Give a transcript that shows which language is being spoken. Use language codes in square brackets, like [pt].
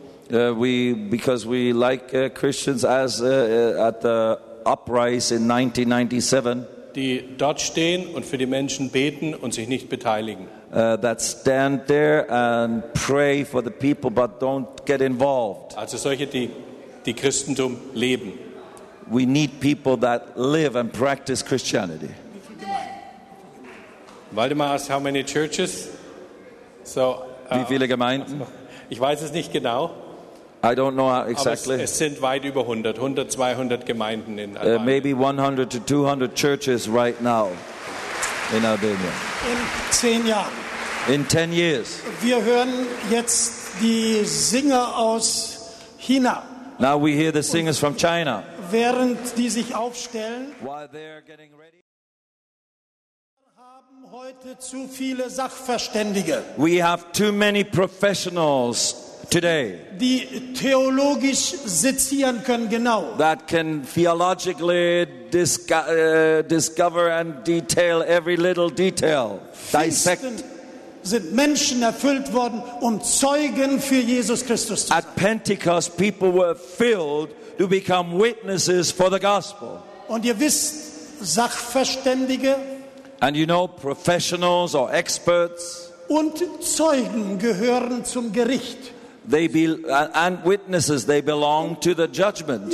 [en] Because we like Christians as at the uprise in 1997, [de] die dort stehen und für die Menschen beten und sich nicht beteiligen. [en] That stand there and pray for the people but don't get involved. [de] Also solche, die Christentum leben. [en] We need people that live and practice Christianity. Waldemar asked how many churches? So [de] wie viele Gemeinden? Ich weiß es nicht genau. [en] I don't know exactly. [de] Aber es sind weit über 100, 100, 200 Gemeinden in Albanien. [en] Maybe 100 to 200 churches right now in Albania. [de] In 10 Jahren. [en] In 10 years. [de] Wir hören jetzt die Singer aus China. [en] Now we hear the singers from China. [de] Während die sich aufstellen. [en] While they're getting ready. [de] Haben heute zu viele Sachverständige. [en] We have too many professionals today. [de] Die theologisch sezieren können genau. [en] That can theologically discover and detail every little detail. Dissect. [de] Sind Menschen erfüllt worden, um Zeugen für Jesus Christus zu sein. [en] At Pentecost, people were filled to become witnesses for the gospel. [de] Und ihr wisst, Sachverständige. [en] And you know, professionals or experts. [de] Und Zeugen gehören zum Gericht. [en] And witnesses, they belong to the judgment.